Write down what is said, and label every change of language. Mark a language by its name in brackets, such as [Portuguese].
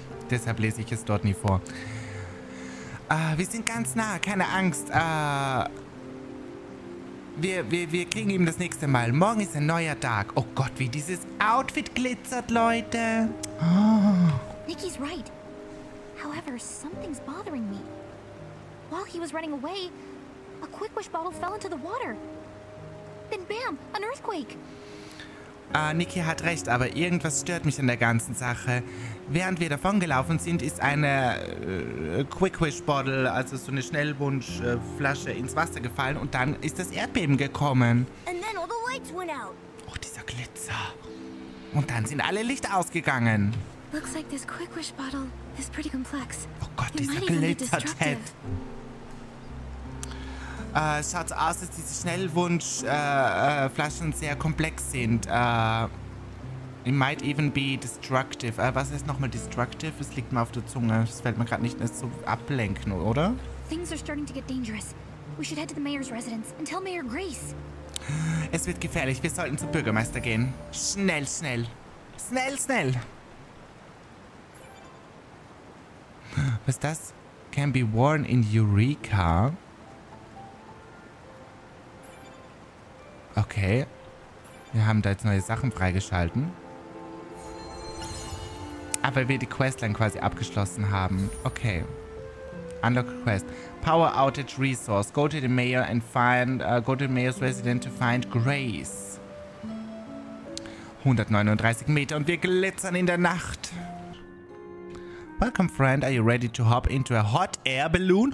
[German] deshalb lese ich es dort nie vor. Wir sind ganz nah, keine Angst. Wir kriegen ihm das nächste Mal. Morgen ist ein neuer Tag. Oh Gott, wie dieses Outfit glitzert, Leute. [English] Oh. Nikki's right. However, something's bothering me. While he was running away, a quick wish bottle fell into the water. Then bam, an earthquake. [German] Nikki hat recht, aber irgendwas stört mich an der ganzen Sache. Während wir davongelaufen sind, ist eine Quick Wish Bottle, also so eine Schnellwunschflasche, ins Wasser gefallen und dann ist das Erdbeben gekommen. [English] And then all the lights went out. [German] Oh, dieser Glitzer. Und dann sind alle Lichter ausgegangen. [English] Looks like this Quick Wish Bottle is pretty complex. [German] Oh Gott, dieser Glitzer, Ted. Schaut so aus, dass diese Schnellwunschflaschen sehr komplex sind. [English] It might even be destructive. [German] Was heißt nochmal destructive? Es liegt mir auf der Zunge. Das fällt mir gerade nicht mehr so ablenken, oder? [English] Things are starting to get dangerous. We should head to the mayor's residence and tell Mayor Grace. [German] Es wird gefährlich. Wir sollten zum Bürgermeister gehen. Schnell, schnell. Schnell, schnell. Was ist das? [English] Can be worn in Eureka. Okay. [German] Wir haben da jetzt neue Sachen freigeschalten. Aber wir die Questline quasi abgeschlossen haben. [English] Okay. Unlock Quest. Power Outage Resource. Go to the Mayor and find. Go to the Mayor's Resident to find Grace. [German] 139 Meter und wir glitzern in der Nacht. [English] Welcome, friend. Are you ready to hop into a hot air balloon?